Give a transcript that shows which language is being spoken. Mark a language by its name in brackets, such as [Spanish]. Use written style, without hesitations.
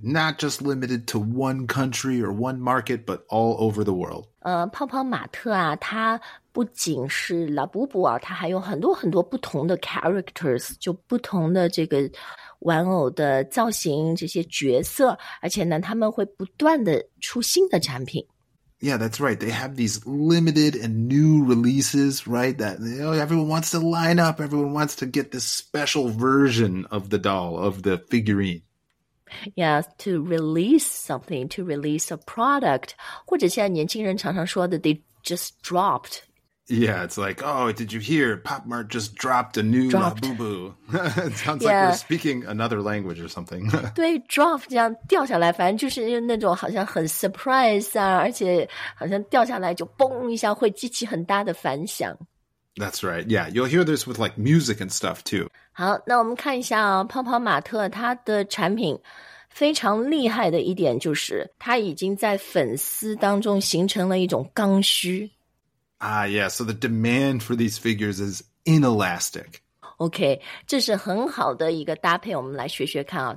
[English] Not just limited to one country or one market, but all over the world. [Chinese] 泡泡玛特啊，它不仅是拉布布啊，它还有很多很多不同的 characters, 就不同的这个玩偶的造型，这些角色，而且呢，他们会不断的出新的产品。 [English] Yeah, that's right. They have these limited and new releases, right? That, you know, everyone wants to line up. Everyone wants to get this special version of the doll, of the figurine. Yeah, to release something, to release a product. [Chinese] 或者现在年轻人常常说的 [English] they just dropped. Yeah, it's like, oh, did you hear? Popmart just dropped a new Labubu. It sounds like we're speaking another language or something. [Chinese] 对 ,drop 这样掉下来反正就是那种好像很 surprise 啊，而且好像掉下来就嘣一下会激起很大的反响。 [English] That's right. Yeah, you'll hear this with like music and stuff too. [Chinese] 好，那我们看一下啊，泡泡玛特它的产品非常厉害的一点就是它已经在粉丝当中形成了一种刚需。 [English] Ah, yeah, so the demand for these figures is inelastic. [Chinese] Okay, 这是很好的一个搭配，我们来学学看啊。